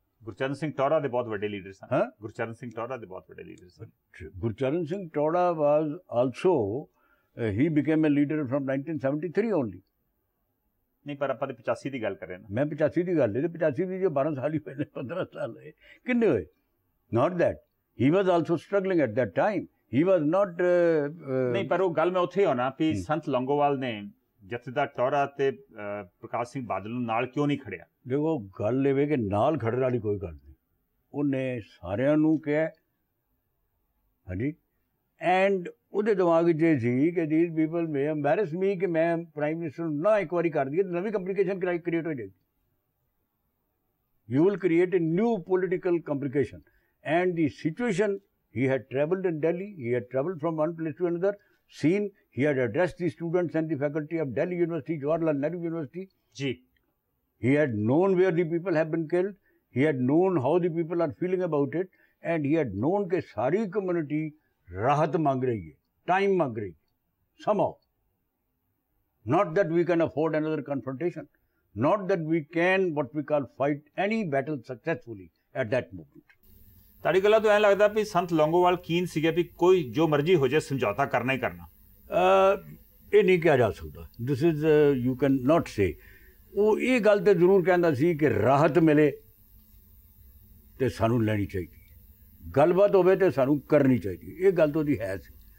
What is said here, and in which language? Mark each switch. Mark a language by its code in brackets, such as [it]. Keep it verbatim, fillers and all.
[pa] ਗੁਰਚਰਨ ਸਿੰਘ ਟੋਰਾ ਦੇ ਬਹੁਤ ਵੱਡੇ ਲੀਡਰ ਸਨ। ਹਾਂ, ਗੁਰਚਰਨ ਸਿੰਘ ਟੋਰਾ ਦੇ ਬਹੁਤ ਵੱਡੇ ਲੀਡਰ ਸਨ। [en] Gurcharan Singh Tohra was also he became a leader from nineteen seventy three only. [pa] ਨਹੀਂ, ਪਰ ਆਪਾਂ ਤਾਂ ਪਚਾਸੀ ਦੀ ਗੱਲ ਕਰ ਰਹੇ ਨਾ। ਮੈਂ ਪਚਾਸੀ ਦੀ ਗੱਲ ਹੈ, ਪਚਾਸੀ ਦੀ ਜੇ ਬਾਰਾਂ ਸਾਲ ਹੀ ਹੋਏ ਨੇ, ਪੰਦਰਾਂ ਸਾਲ ਹੋਏ, ਕਿੰਨੇ ਹੋਏ? [en] not that he was also struggling at that time, he was not uh, uh, [pa] ਨਹੀਂ, ਪਰ ਉਹ ਗੱਲ ਮੈਂ ਉੱਥੇ ਹੋਣਾ ਵੀ ਸੰਤ ਲੌਂਗੋਵਾਲ ਨੇ ਜਥੇਦਾਰ ਟੋਰਾ ਤੇ ਪ੍ਰਕਾਸ਼ ਸਿੰਘ ਬਾਦਲ ਨੂੰ ਨਾਲ ਕਿਉਂ ਨਹੀਂ ਖੜਿਆ? ਦੇਖੋ, ਗੱਲ ਇਹ ਕਿ ਨਾਲ ਖੜਨ ਵਾਲੀ ਕੋਈ ਗੱਲ ਨਹੀਂ, ਉਹਨੇ ਸਾਰਿਆਂ ਨੂੰ ਕਿਹਾ। ਹਾਂਜੀ, ਐਂਡ ਉਹਦੇ ਦਿਮਾਗ 'ਚ ਇਹ ਸੀ ਕਿ [en] these people may embarrass me [pa] ਕਿ ਮੈਂ ਪ੍ਰਾਈਮ ਮਿਨਿਸਟਰ ਨੂੰ ਨਾ ਇੱਕ ਵਾਰੀ ਕਰ ਦਈਏ ਤਾਂ ਨਵੀਂ ਕੰਪਲੀਕੇਸ਼ਨ ਕ੍ਰੀਏਟ ਹੋ ਜਾਏਗੀ, [en] You will create a new political complication. And the situation, he had traveled in Delhi, he had traveled from one place to another, seen, he had addressed the students and the faculty of Delhi University, Jawaharlal Nehru University. Ji. He had known where the people have been killed, he had known how the people are feeling about it, and he had known that [hi] sari community rahat mang rahi hai, [en] time mang rahi hai, somehow. Not that we can afford another confrontation, not that we can, what we call, fight any battle successfully at that moment. [pa] ਤੁਹਾਡੀ ਗੱਲਾਂ ਤੋਂ ਐਂ ਲੱਗਦਾ ਵੀ ਸੰਤ ਲੌਂਗੋਵਾਲ ਕੀਨ ਸੀਗੇ ਵੀ ਕੋਈ ਜੋ ਮਰਜ਼ੀ ਹੋ ਜਾਏ ਸਮਝੌਤਾ ਕਰਨਾ ਹੀ ਕਰਨਾ। ਇਹ ਨਹੀਂ ਕਿਹਾ ਜਾ ਸਕਦਾ, [en] This is you can not say. [pa] ਉਹ ਇਹ ਗੱਲ ਤਾਂ ਜ਼ਰੂਰ ਕਹਿੰਦਾ ਸੀ ਕਿ ਰਾਹਤ ਮਿਲੇ ਤਾਂ ਸਾਨੂੰ ਲੈਣੀ ਚਾਹੀਦੀ, ਗੱਲਬਾਤ ਹੋਵੇ ਤਾਂ ਸਾਨੂੰ ਕਰਨੀ ਚਾਹੀਦੀ, ਇਹ ਗੱਲ ਤਾਂ ਉਹਦੀ ਹੈ ਸੀ।